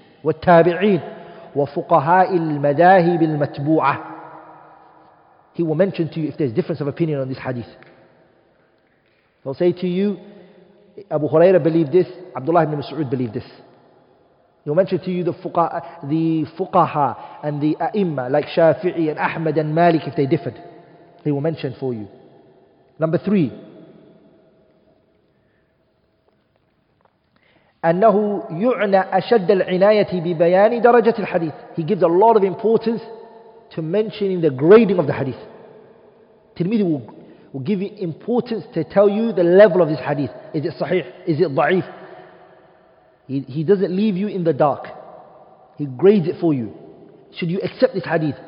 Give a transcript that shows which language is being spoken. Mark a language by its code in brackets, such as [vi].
[ar] والتابعين وفقهاء المذاهب المتبوعة. [en] He will mention to you if there's difference of opinion on this hadith. He'll say to you, Abu Huraira believed this, Abdullah ibn Mas'ud believed this. He'll mention to you the fuqaha and the a'imma like Shafi'i and Ahmad and Malik if they differed. He will mention for you. Number three, [ar] أنه يعنى أشد العناية ببيان درجة الحديث. [en] He gives a lot of importance to mentioning the grading of the hadith. Tirmidhi will give you importance to tell you the level of this hadith. Is it sahih? Is it ضعيف? He doesn't leave you in the dark. He grades it for you. Should you accept this hadith?